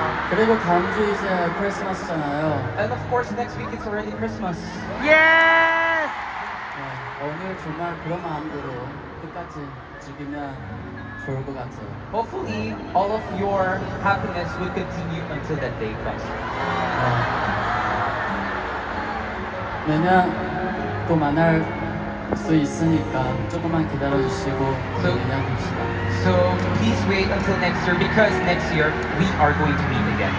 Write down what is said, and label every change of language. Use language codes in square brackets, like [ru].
[ko] 그리고 다음 주 이제 크리스마스잖아요. [en] And of course, next week it's already Christmas. Yes! [ko] 오늘 정말 그런 마음으로 끝까지 즐기면 좋을 것 같아요. [en] Hopefully, all of your happiness will continue until that day comes. [ko] 내년 또 만날 수 있으니까 조금만 기다려주시고 내년 봅시다. [en] So please wait until next year, because next year we are going to meet again.